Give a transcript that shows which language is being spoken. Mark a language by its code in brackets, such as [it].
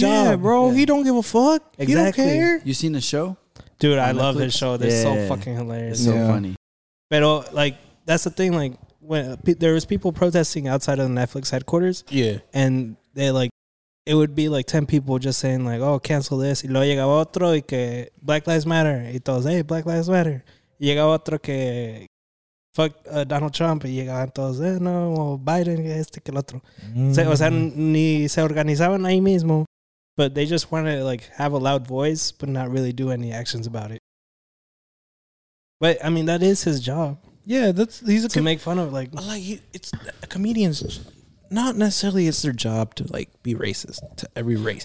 [en] Yeah, bro. Yeah. He don't give a fuck. Exactly. He don't care. You seen the show? Dude, I love his show. They're so fucking hilarious. It's so funny. But, like, that's the thing. Like, when there was people protesting outside of the Netflix headquarters. Yeah. And they, like, it would be, like, 10 people just saying, like, oh, cancel this. [es] Y luego llegaba otro y que Black Lives Matter. Y todos, hey, Black Lives Matter. Y llegaba otro que fuck Donald Trump. Y llegaban todos, no, Biden, este que el otro. Mm. O sea, ni se organizaban ahí mismo. [en] But they just want to, like, have a loud voice, but not really do any actions about it. But, I mean, that is his job. Yeah, he's a comedian. To make fun of, like. It's a comedian's, not necessarily it's their job to, like, be racist to every race.